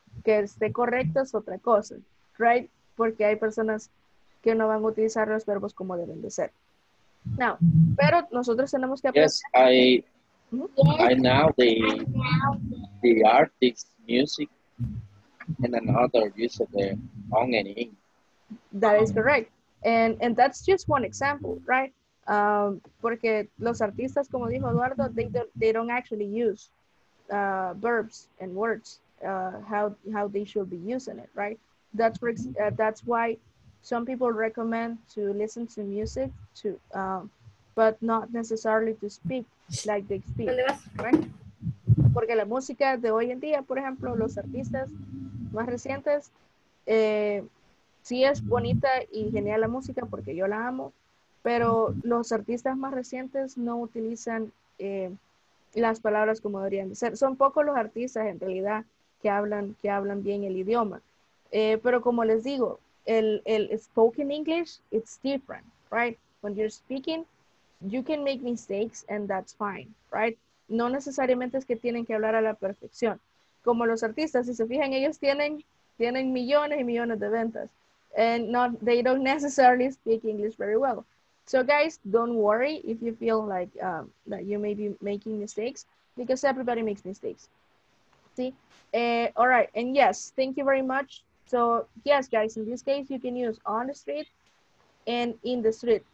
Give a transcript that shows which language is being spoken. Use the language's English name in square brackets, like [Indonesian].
[Spanish] Que esté correcto es otra cosa, right? Porque hay personas que no van a utilizar los verbos como deben de ser. Now, pero nosotros tenemos que aprender. [English] Yes, I know the artist music and another use of the on and in. That is correct. And that's just one example, right? [Spanish] Porque los artistas, como dijo Eduardo, [English] they don't actually use verbs and words how they should be using it, right? That's why some people recommend to listen to music to, but not necessarily to speak like they speak, right? [Spanish] Porque la música de hoy en día, por ejemplo, los artistas más recientes, sí es bonita y genial la música porque yo la amo, pero los artistas más recientes no utilizan las palabras como deberían ser. Son pocos los artistas en realidad que hablan bien el idioma. Pero como les digo, el [English] spoken English, it's different, right? When you're speaking, you can make mistakes and that's fine, right? [Spanish] No necesariamente es que tienen que hablar a la perfección. Como los artistas, si se fijan, ellos tienen millones y millones de ventas. [English] And not, they don't necessarily speak English very well. So guys, don't worry if you feel like that you may be making mistakes, because everybody makes mistakes. ¿Sí? All right, and yes, thank you very much. So, yes, guys, in this case, you can use on the street and in the street.